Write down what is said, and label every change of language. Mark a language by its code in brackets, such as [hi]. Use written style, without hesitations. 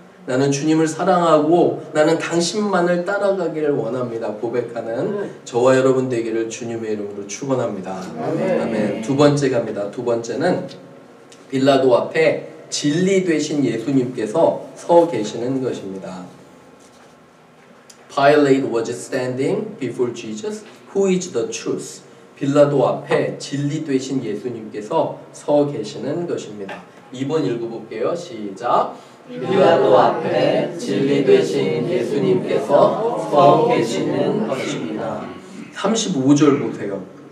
[ko] 나는 주님을 사랑하고 나는 당신만을 따라가기를 원합니다. 고백하는 저와 여러분 되기를 주님의 이름으로 축원합니다. 아멘. 두 번째 갑니다. 두 번째는 빌라도 앞에 진리 되신 예수님께서 서 계시는 것입니다. [en] Pilate was standing before Jesus, who is the truth. [ko] 빌라도 앞에 진리 되신 예수님께서 서 계시는 것입니다. 2번 읽어볼게요. 시작! 빌라도 앞에 진리 되신 예수님께서 서 계시는 것입니다. 35절 보세요.